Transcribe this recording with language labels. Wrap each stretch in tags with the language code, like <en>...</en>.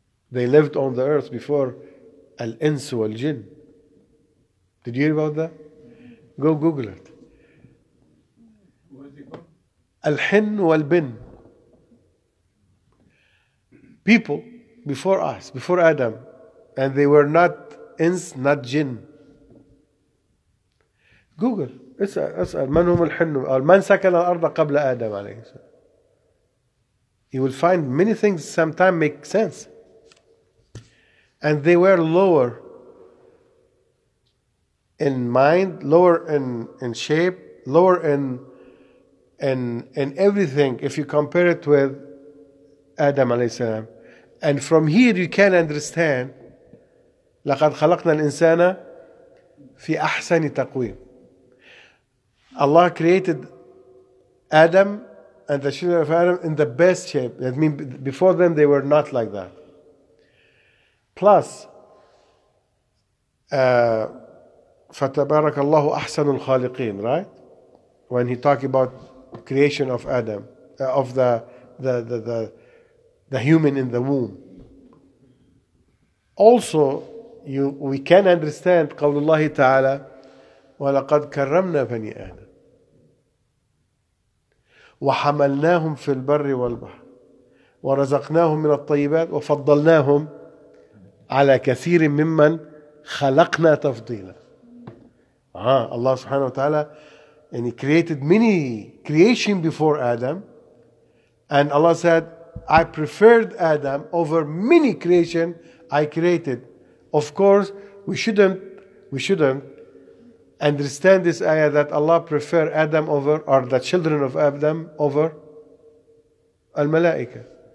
<en>They lived on the earth before al-ins wal-jinn. Did you hear about that? Go Google it.</en> <ar>Al-hinn wal-bin.</ar> <en>People before us, before Adam, and they were not ins, not jinn. Google.</en> <ar>اسأل من هم الحن من سكن الأرض قبل آدم عليه السلام.</ar> <en>You will find many things sometimes make sense. And they were lower in mind, lower in shape, lower in everything, if you compare it with Adam alayhi salam. And from here you can understand, لَقَدْ خَلَقْنَا الْإِنسَانَ فِي أَحْسَنِ تَقْوِيمٍ. Allah created Adam and the children of Adam in the best shape. That means before them they were not like that.</en> <ar>Plus, فَتَبَارَكَ اللَّهُ أَحْسَنُ الْخَالِقِينَ, right?</ar> <en>When he talk about creation of Adam, of the human in the womb.</en> <ar>Also, we can understand قَوْلُ اللَّهِ تَعَالَى وَلَقَدْ كَرَّمْنَا بَنِي آدَمَ وَحَمَلْنَاهُمْ فِي الْبَرِّ وَالْبَحْرِ وَرَزَقْنَاهُمْ مِنَ الطَّيِّبَاتِ وَفَضَّلْنَاهُمْ عَلَى كَثِيرٍ مِمَّنْ خَلَقْنَا تَفْضِيلًا.</ar> <en>Allah subhanahu wa ta'ala, and he created many creation before Adam, and Allah said, I preferred Adam over many creation I created. Of course, we shouldn't understand this ayah that Allah prefer Adam over, or the children of Adam over Al-Malaika.</en>